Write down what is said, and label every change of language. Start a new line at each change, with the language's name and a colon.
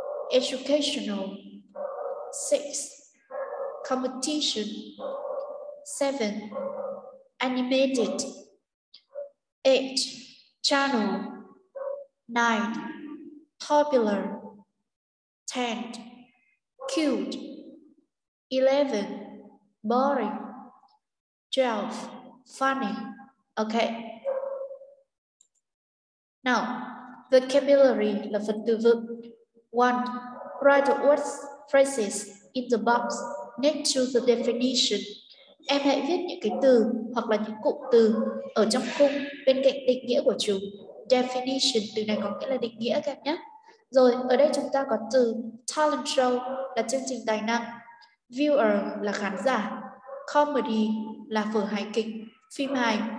English: Educational. 6. Competition. 7. Animated. 8. Channel. 9. Popular. 10. Cute. 11. Boring. 12. Funny. Okay.
Vietnamese: Now, vocabulary là phần từ vựng. 1.
English: Write the words, phrases in the box next to the definition.
Vietnamese: Em hãy viết những cái từ hoặc là những cụm từ ở trong khung bên cạnh định nghĩa của chúng. Definition, từ này có nghĩa là định nghĩa các em nhé. Rồi, ở đây chúng ta có từ talent show là chương trình tài năng. Viewer là khán giả. Comedy là vở hài kịch, phim hài.